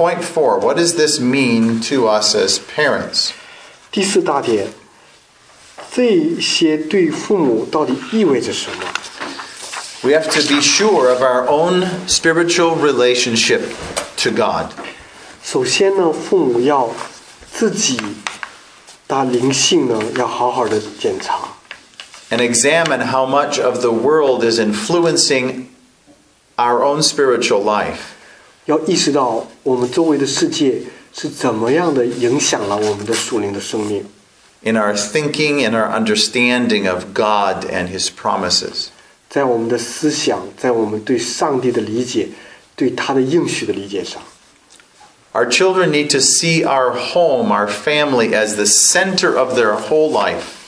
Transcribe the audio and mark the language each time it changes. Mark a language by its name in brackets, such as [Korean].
[English] point four, what does this mean to us as parents? [Chinese] 第四大点， 这些对父母到底意味着什么？ [English] We have to be sure of our own spiritual relationship to God. [Chinese] 首先呢，父母要自己的灵性呢，要好好的检查。 [English] And examine how much of the world is influencing our own spiritual life. [Chinese] 要意识到我们周围的世界是怎么样的影响了我们的属灵的生命。 [English] In our thinking and our understanding of God and His promises. [Chinese] 在我们的思想，在我们对上帝的理解，对他的应许的理解上。 [English] Our children need to see our home, our family as the center of their whole life.